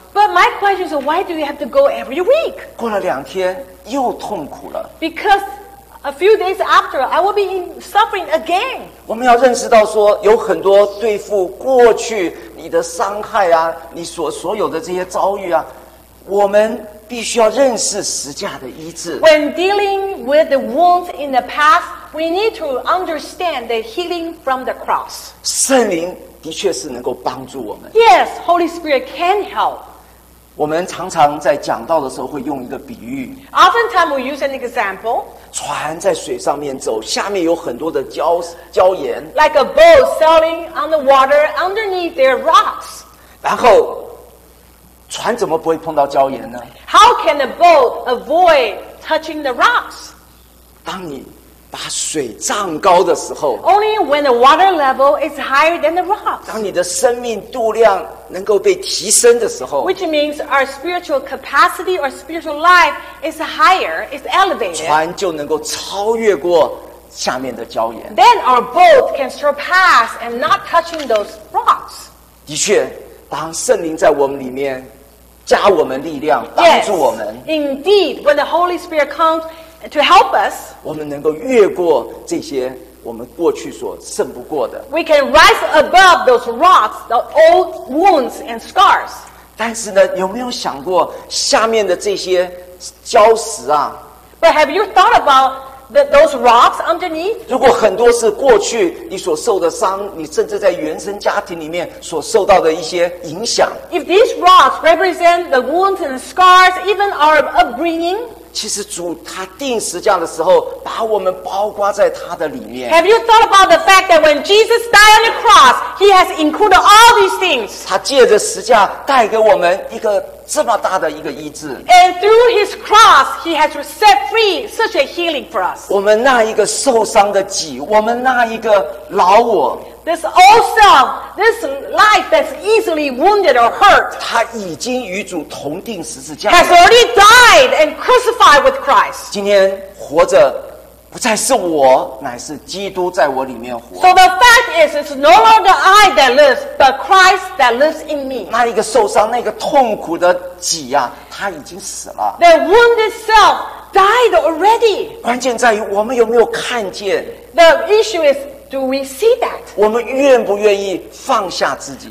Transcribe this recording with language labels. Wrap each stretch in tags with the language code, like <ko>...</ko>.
<en>？But my question is, why do you have to go every week?</en> <zh>过了两天又痛苦了。</zh> <en>Because a few days after, I will be suffering again.</en> <zh>我们要认识到说，有很多对付过去你的伤害啊，你所有的这些遭遇啊，我们。必须要认识十架的医治。</zh> <en>When dealing with the wounds in the past, we need to understand the healing from the cross.</en> <zh>圣灵的确是能够帮助我们。</zh> <en>Yes, Holy Spirit can help.</en> <zh>我们常常在讲道的时候会用一个比喻。</zh> <en>Oftentimes we use an example.</en> <zh>船在水上面走，下面有很多的礁岩。</zh> <en>Like a boat sailing on the water, underneath there are rocks.</en> <zh>然后。船怎么不会碰到礁岩呢</zh> <en>？How can a boat avoid touching the rocks？</en> <zh>当你把水涨高的时候</zh> <en>，Only when the water level is higher than the rocks。</en> <zh>当你的生命度量能够被提升的时候</zh> <en>，Which means our spiritual capacity or spiritual life is higher, is elevated。</en> <zh>船就能够超越过下面的礁岩。</zh> <en>Then our boat can surpass and not touching those rocks。</en> <zh>的确。当圣灵在我们里面加我们力量帮助我们</zh> <en>yes, indeed when the Holy Spirit comes to help us</en> <zh>我们能够越过这些我们过去所胜不过的</zh> <en>we can rise above those rocks the old wounds and scars</en> <zh>但是呢有没有想过下面的这些礁石啊</zh> <en>but have you thought aboutThose rocks underneath.</en> <zh>如果很多是过去你所受的伤，你甚至在原生家庭里面所受到的一些影响。</zh> <en>If these rocks represent the wounds and scars, even our upbringing.</en> <zh>其实主他钉十架的时候，把我们包括在他的里面。</zh> <en>Have you thought about the fact that when Jesus died on the cross, he has included all these things?</en> <zh>他借着十架带给我们一个。这么大的一个医治</zh> <en>And through his cross he has set free such a healing for us</en> <zh>我们那一个受伤的己我们那一个老我</zh> <en>This old self this life that's easily wounded or hurt</en> <zh>他已经与主同钉十字架</zh> <en>has already died and crucified with Christ</en> <zh>今天活着不再是我乃是基督在我里面活</zh> <en>So the fact is it's no longer I that lives but Christ that lives in me</en> <zh>那一个受伤那个痛苦的己啊他已经死了</zh> <en>The wounded self died already</en> <zh>关键在于我们有没有看见</zh> <en>The issue is do we see that</en> <zh>我们愿不愿意放下自己</zh>